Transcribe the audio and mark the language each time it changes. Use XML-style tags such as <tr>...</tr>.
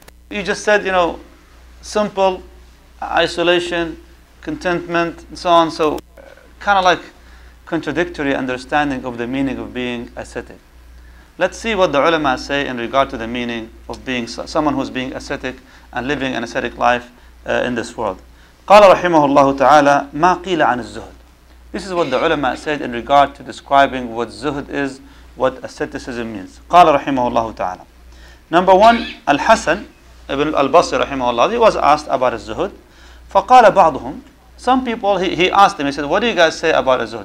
<en>You just said, you know, simple, isolation, contentment, and so on. So kind of like contradictory understanding of the meaning of being ascetic. Let's see what the ulama say in regard to the meaning of being someone who's being ascetic and living an ascetic life in this world.</en> <ar>قال رحمه الله تعالى ما قيل عن الزهد.</ar> <en>This is what the ulama said in regard to describing what zuhd is, what asceticism means.</en> <ar>قال رحمه الله تعالى.</ar> <en>Number one, الحسن ibn al-Basri رحمه الله, he was asked about الزهد.</en> <ar>فقال بعضهم,</ar> <en>some people, he asked them, he said, what do you guys say about Az-Zuhd?</en>